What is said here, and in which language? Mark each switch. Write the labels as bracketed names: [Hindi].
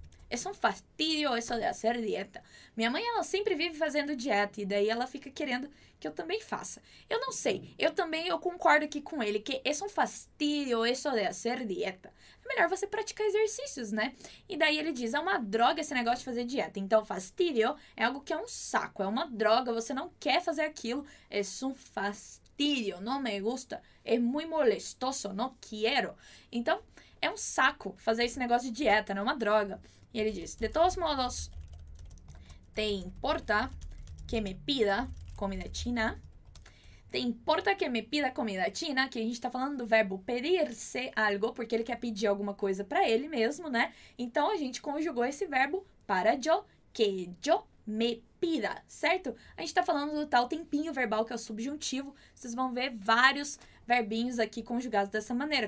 [Spanish] Es un fastidio eso de hacer dieta. [Portuguese] Minha mãe, ela sempre vive fazendo dieta e daí ela fica querendo que eu também faça. Eu não sei, eu concordo aqui com ele que [Spanish] es un fastidio eso de hacer dieta. [Portuguese] É melhor você praticar exercícios, né? E daí ele diz, é uma droga esse negócio de fazer dieta. Então, fastidio é algo que é um saco, é uma droga, você não quer fazer aquilo. [Spanish] Es un fastidio, no me gusta, es muy molestoso, no quiero. [Portuguese] Então, é um saco fazer esse negócio de dieta, não é uma droga. E ele diz, [Spanish] de todos modos, ¿te importa que me pida comida china? ¿Te importa que me pida comida china? [Portuguese] Aqui a gente está falando do verbo pedirse algo, porque ele quer pedir alguma coisa para ele mesmo, né? Então, a gente conjugou esse verbo para yo, [Spanish] que yo me pida, [Portuguese] certo? A gente está falando do tal tempinho verbal, que é o subjuntivo. Vocês vão ver vários verbinhos aqui conjugados dessa maneira.